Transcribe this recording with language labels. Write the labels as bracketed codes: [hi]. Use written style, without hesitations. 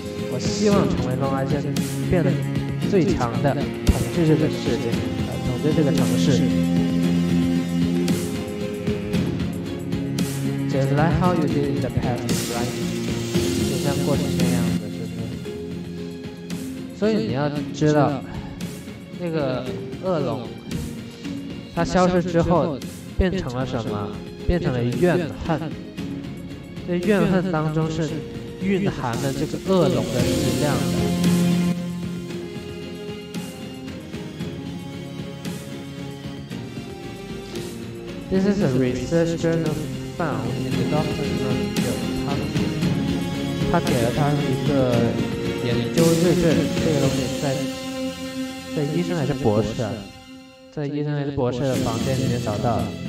[zh] 我希望成为龙，而且变得最强的，统治这个世界，统治这个城市。 [en] Just like how you did in the past, right? [zh] 就像过去那样子，是不是？所以你要知道，那个恶龙，它消失之后变成了什么？变成了怨恨。在怨恨当中是蕴含了这个恶龙的力量的，这是 [en] a research journal found in the doctor's room， [zh] 他给了他一个研究日志，这个东西在医生还是博士，在医生还是博士的房间里面找到了。